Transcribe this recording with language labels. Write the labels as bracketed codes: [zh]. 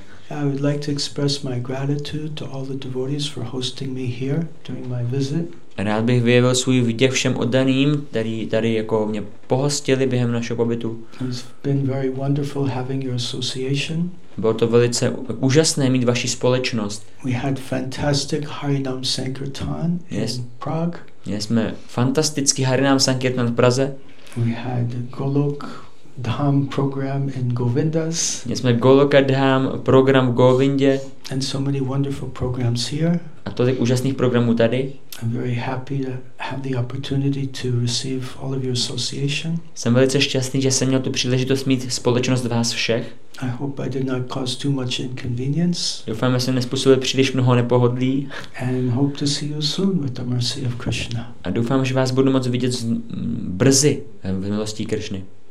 [en] I would like to express my gratitude to all the devotees for hosting me here during my visit. [cs] Rád bych vyjevil svůj vděk všem oddaným, kteří tady jako mě pohostili během našeho pobytu. [en] It's been very wonderful having your association. [cs] Bylo to velice úžasné mít vaši společnost. [en] We had fantastic Harinam Sankirtan in Prague. [cs] Měli jsme fantastický Harinam Sankirtan v Praze. [en] We had Golok Dham program in Govindas. [cs] Měli jsme Goloka Dham program v Govindě. [en] And so many wonderful programs here. [cs] A tolik úžasných programů tady. [en] I'm very happy to have the opportunity to receive all of your association. [cs] Jsem velice šťastný, že jsem měl tu příležitost mít společnost vás všech. [en] I hope I did not cause too much inconvenience. [cs] Doufám, že jsem nespůsobil příliš mnoho nepohodlí. [en] And hope to see you soon with the mercy of Krishna. [cs] A doufám, že vás budu moct vidět brzy v milosti Krishny.